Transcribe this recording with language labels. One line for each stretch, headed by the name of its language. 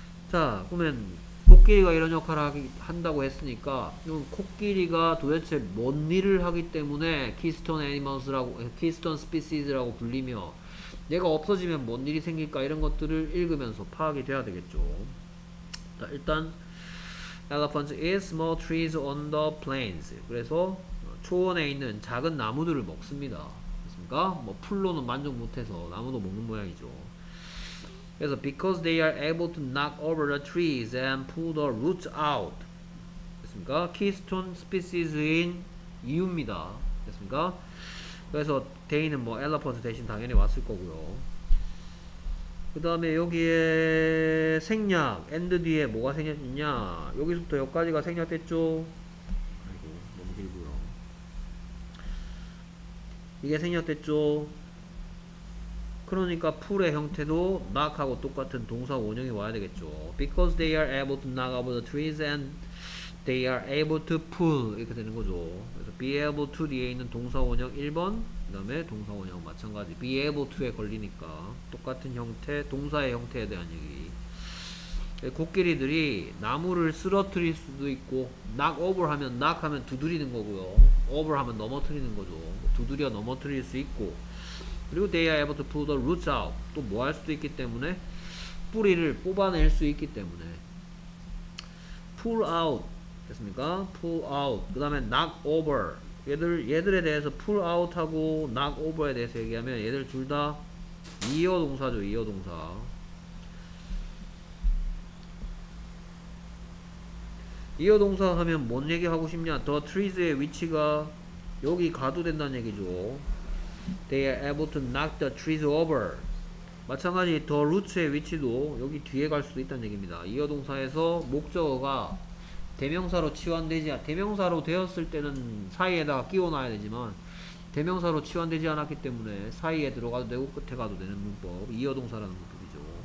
Korean: 자, 그러면 코끼리가 이런 역할을 한다고 했으니까 그럼 코끼리가 도대체 뭔 일을 하기 때문에 keystone animals라고 keystone species라고 불리며 얘가 없어지면 뭔 일이 생길까 이런 것들을 읽으면서 파악이 돼야 되겠죠. 자, 일단
English: elephants eat small trees on the plains.
Korean: 그래서 초원에 있는 작은 나무들을 먹습니다. 그렇습니까? 뭐 풀로는 만족 못해서 나무도 먹는 모양이죠. 그래서
English: because they are able to knock over the trees and pull the roots out.
Korean: 됐습니까? keystone species인 이유입니다. 됐습니까? 그래서 데이는 뭐 elephant 대신 당연히 왔을 거고요. 그 다음에 여기에 생략 end 뒤에 뭐가 생략했냐 여기서부터 여기까지가 생략됐죠. 아이고 너무 길고요. 이게 생략됐죠. 그러니까 풀의 형태도 knock하고 똑같은 동사 원형이 와야 되겠죠.
English: Because they are able to knock over the trees and they are able to pull
Korean: 이렇게 되는 거죠. 그래서 be able to 뒤에 있는 동사 원형 1번 그 다음에 동사 원형 마찬가지 be able to에 걸리니까 똑같은 형태 동사의 형태에 대한 얘기. 코끼리들이 나무를 쓰러뜨릴 수도 있고 knock over 하면 knock 하면 두드리는 거고요. over 하면 넘어뜨리는 거죠. 두드려 넘어뜨릴 수 있고 그리고
English: they are able to pull the roots out.
Korean: 또 뭐 할 수도 있기 때문에 뿌리를 뽑아낼 수 있기 때문에 pull out 됐습니까? pull out 그 다음에 knock over 얘들에 대해서 pull out 하고 knock over에 대해서 얘기하면 얘들 둘 다 이어동사죠. 이어동사 이어동사 하면 뭔 얘기하고 싶냐 the trees의 위치가 여기 가도 된다는 얘기죠.
English: They are able to knock the trees over.
Korean: 마찬가지 the roots의 위치도 여기 뒤에 갈 수도 있다는 얘기입니다. 이어 동사에서 목적어가 대명사로 치환되지 대명사로 되었을 때는 사이에다가 끼워놔야 되지만 대명사로 치환되지 않았기 때문에 사이에 들어가도 되고 끝에 가도 되는 문법 이어 동사라는 문법이죠.